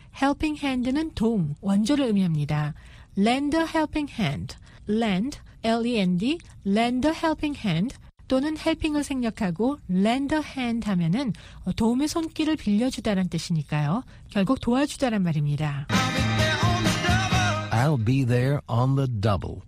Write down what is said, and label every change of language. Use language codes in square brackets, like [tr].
[ko] Helping hand는 도움, 원조를 의미합니다. [en] Lend a helping hand. [ko] Lend, L-E-N-D, [en] lend a helping hand [ko] 또는 helping을 생략하고 [en] lend a hand [ko] 하면은 도움의 손길을 빌려주다란 뜻이니까요. 결국 도와주다란 말입니다. [en] I'll be there on the double.